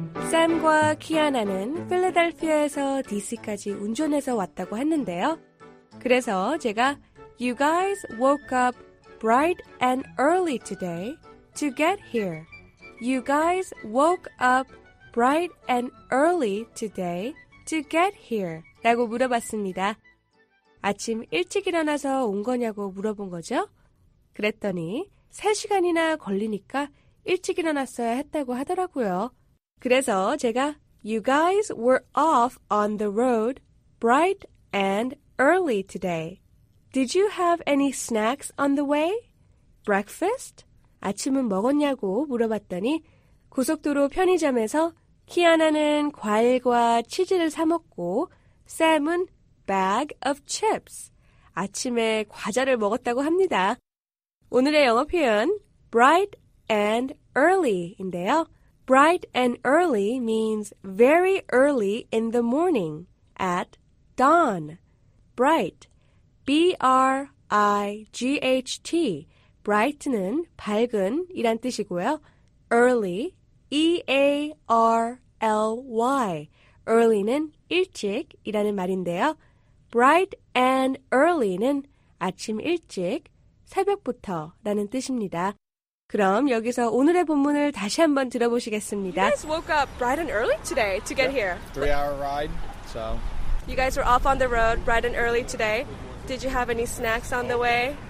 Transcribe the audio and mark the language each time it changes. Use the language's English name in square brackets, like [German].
[Korean] Sam과 키아나는 필라델피아에서 DC까지 운전해서 왔다고 했는데요. 그래서 제가 [English] You guys woke up bright and early today to get here. You guys woke up bright and early today to get here. [Korean] 라고 물어봤습니다. 아침 일찍 일어나서 온 거냐고 물어본 거죠. 그랬더니 3시간이나 걸리니까 일찍 일어났어야 했다고 하더라고요. 그래서 제가 [English] You guys were off on the road bright and early today. Did you have any snacks on the way? [Korean] Breakfast? 아침은 먹었냐고 물어봤더니 고속도로 편의점에서 키아나는 과일과 치즈를 사 먹고 샘은 [English] bag of chips. [Korean] 아침에 과자를 먹었다고 합니다. 오늘의 영어 표현 bright and early인데요. [English] Bright and early means very early in the morning, at dawn. [Korean] Bright, B-R-I-G-H-T, bright는 밝은이란 뜻이고요. Early, E-A-R-L-Y, early는 일찍이라는 말인데요. Bright and early는 아침 일찍, 새벽부터라는 뜻입니다. 그럼 여기서 오늘의 본문을 다시 한번 들어보시겠습니다. [English] You guys woke up bright and early today to get here. 3-hour ride, so. You guys were off on the road bright and early today. Did you have any snacks on the way?